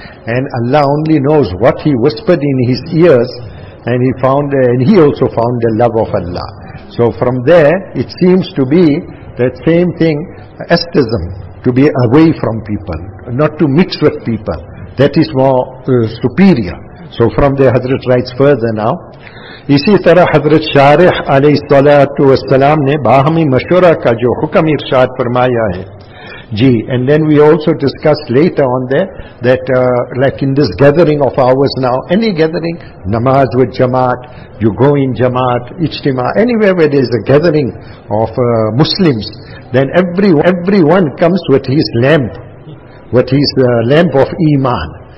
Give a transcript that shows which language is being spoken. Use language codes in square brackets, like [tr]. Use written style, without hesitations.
[en] And Allah only knows what he whispered in his ears, and he also found the love of Allah. So from there, it seems to be that same thing, asceticism, to be away from people, not to mix with people. That is more superior. So from there, Hazrat writes further now. [ur] اسی طرح حضرت شارح علیہ الصلاۃ والسلام نے باہمی مشورہ کا جو حکم ارشاد فرمایا ہے [en] Gee, and then we also discussed later on there that like in this gathering of ours now, any gathering, namaz with jamaat, you go in jamaat, ijtima, anywhere where there is a gathering of Muslims, then everyone comes with his lamp, with his lamp of iman.